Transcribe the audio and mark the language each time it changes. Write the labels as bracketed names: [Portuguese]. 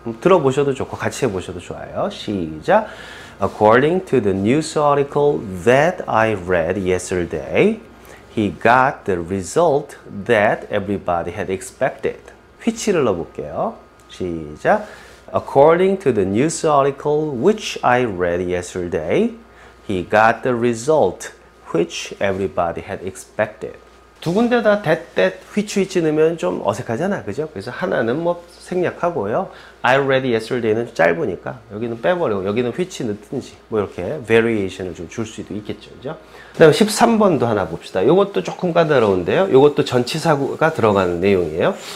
[Korean] 들어보셔도 좋고 같이 해보셔도 좋아요. 시작. [English] According to the news article that I read yesterday, he got the result that everybody had expected. [Korean] Which를 넣어볼게요. 시작. [English] According to the news article which I read yesterday, he got the result which everybody had expected. [Korean] 두 군데 다 that, that, which, which 넣으면 좀 어색하잖아. 그죠? 그래서 하나는 뭐 생략하고요. [English] I read yesterday [Korean] 는 짧으니까 여기는 빼버리고 여기는 which 넣든지 뭐 이렇게 variation을 좀 줄 수도 있겠죠. 그죠? 그 다음 13번도 하나 봅시다. 이것도 조금 까다로운데요. 이것도 전치사구가 들어가는 내용이에요.